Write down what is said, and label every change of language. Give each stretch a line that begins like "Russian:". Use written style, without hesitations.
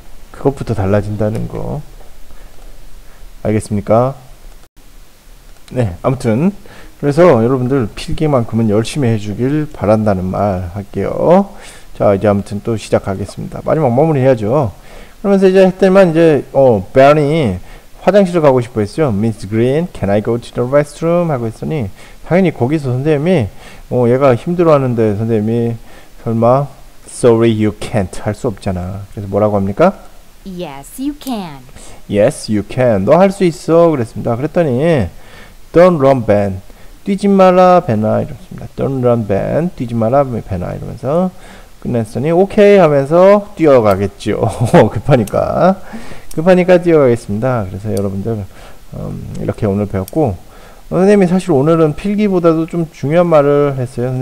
Korean: 그것부터 달라진다는 거. 알겠습니까? 네, 아무튼. 그래서 여러분들 필기만큼은 열심히 해주길 바란다는 말 할게요. 자, 이제 아무튼 또 시작하겠습니다. 마지막 마무리 해야죠. 그러면서 이제 했더만 이제, Barney 화장실을 가고 싶어 했어요.
English: Miss Green, can I go to the restroom?
Korean: 하고 했더니, 당연히 거기서 선생님이, 얘가 힘들어하는데 선생님이, 설마,
English: sorry you can't
Korean: 할수 없잖아. 그래서 뭐라고 합니까?
English: Yes, you can. Yes, you can.
Korean: 너할수 있어. 그랬습니다. 그랬더니,
English: don't run, Ben.
Korean: 뛰지 마라, Ben아. 이랬습니다.
English: Don't run, Ben.
Korean: 뛰지 마라, Ben아. 이러면서, 끝냈더니 오케이 하면서 뛰어가겠죠. 급하니까 뛰어가겠습니다. 그래서 여러분들 이렇게 오늘 배웠고 선생님이 사실 오늘은 필기보다도 좀 중요한 말을 했어요.